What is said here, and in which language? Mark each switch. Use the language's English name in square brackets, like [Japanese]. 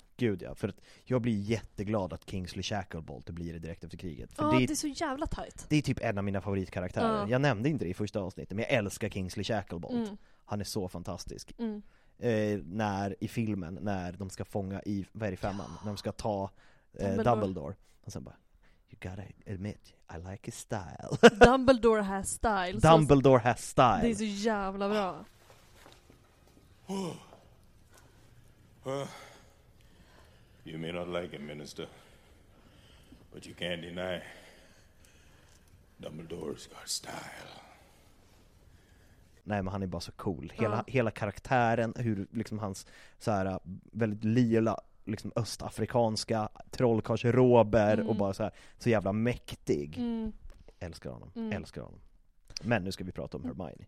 [Swedish] Gud ja, för att jag blir jätteglad att Kingsley Shacklebolt blir det direkt efter kriget. Ja, det är så jävla tajt. Det är typ en av mina favoritkaraktärer. Ja. Jag nämnde inte det i första avsnittet, men jag älskar Kingsley Shacklebolt. Mm. Han är så fantastisk. Mm. när i filmen när de ska fånga i vad är det, femman, när de ska ta Dumbledore. [English] Dumbledore, [Swedish] och sen bara [English] you gotta admit I like his style. Dumbledore has style. Dumbledore has style. [Swedish] Det är så jävla bra. [English] You may not like him, minister, but you can't deny Dumbledore's got style. [Swedish] Nej, men han är bara så cool. Hela karaktären, hur liksom hans så här väldigt lila liksom östafrikanska trollkars Rober och bara så här så jävla mäktig. Älskar honom. Älskar honom. Men nu ska vi prata om Hermione.